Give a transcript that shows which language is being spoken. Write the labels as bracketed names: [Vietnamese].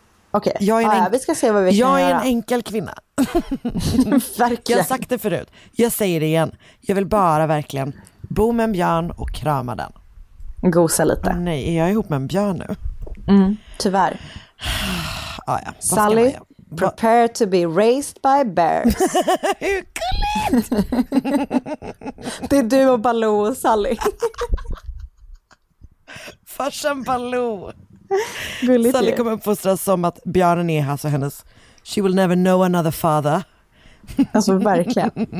[Swedish] Okej, okay. Vi ska se vad vi kan göra. Jag är en enkel kvinna. Verkligen. Jag har sagt det förut. Jag säger det igen. Jag vill bara verkligen bo med en björn och krama den. Gosa lite. Oh, nej, är jag ihop med en björn nu? Mm, tyvärr. Ah, ja. [English] Sally, prepare to be raised by bears. [Swedish] Hur gulligt! Det är du och Baloo och Sally. Farsan Baloo. Sally kommer uppfostras som att björnen är alltså hennes, [English] she will never know another father. [Swedish] Alltså verkligen.